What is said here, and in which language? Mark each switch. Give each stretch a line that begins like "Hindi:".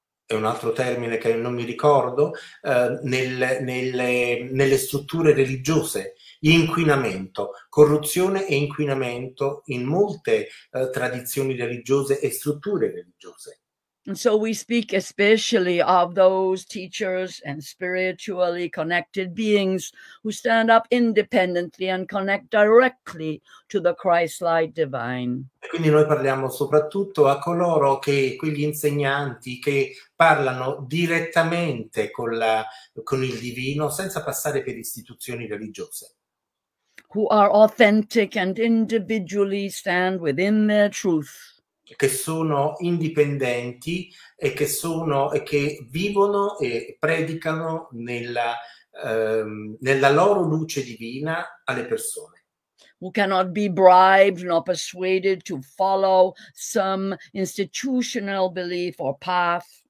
Italian: è un altro termine che non mi ricordo, nelle strutture religiose. Inquinamento, corruzione e inquinamento in molte tradizioni religiose e strutture religiose.
English: And so we speak especially of those teachers and spiritually connected beings who stand up independently and connect directly to the Christ-like divine.
Italian: Quindi noi parliamo soprattutto a coloro che, quegli insegnanti che parlano direttamente con il divino senza passare per istituzioni religiose.
English: Who are authentic and individually stand within their truth.
Italian: Che sono indipendenti e che vivono e predicano nella loro luce divina alle persone.
English: Who cannot be bribed nor persuaded to follow some institutional belief or path.